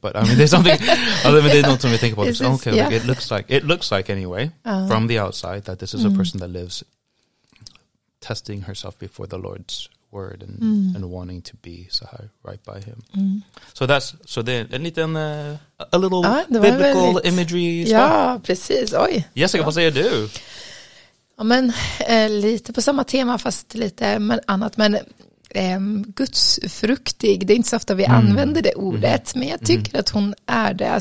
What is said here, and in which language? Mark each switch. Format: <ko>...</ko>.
<en>But I mean, there's something,</en> <sv>det är något som jag tänker på.</sv> <en>Okay, like, it looks like anyway, from the outside, that this is a person that lives testing herself before the Lord's word and wanting to be</en> <sv>så här</sv> <en>right by him. Mm. So that's, so</en> <sv>det är en liten,</sv> <en>a little biblical imagery.</en> <sv>Ja, precis. Oj. Jessica, vad säger du? Ja, men lite på samma tema fast lite annat, men gudsfruktig, det är inte så ofta vi använder det ordet, men jag tycker att hon är det.</sv>